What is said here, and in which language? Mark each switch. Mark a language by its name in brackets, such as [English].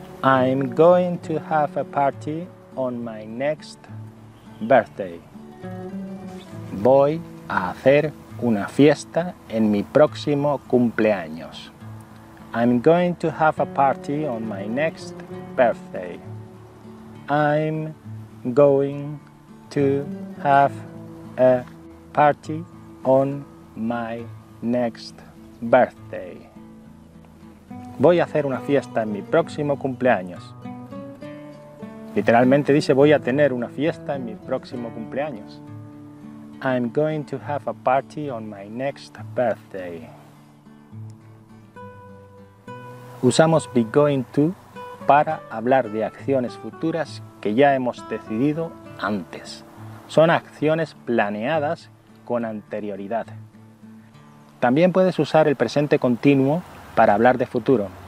[English] I'm going to have a party on my next birthday. [Spanish] Voy a hacer una fiesta en mi próximo cumpleaños. [English] I'm going to have a party on my next birthday. I'm going to have a party on my next birthday. [Spanish] Voy a hacer una fiesta en mi próximo cumpleaños. Literalmente dice voy a tener una fiesta en mi próximo cumpleaños. [English] I'm going to have a party on my next birthday. [Spanish] Usamos be going to para hablar de acciones futuras que ya hemos decidido antes. Son acciones planeadas con anterioridad. También puedes usar el presente continuo para hablar de futuro.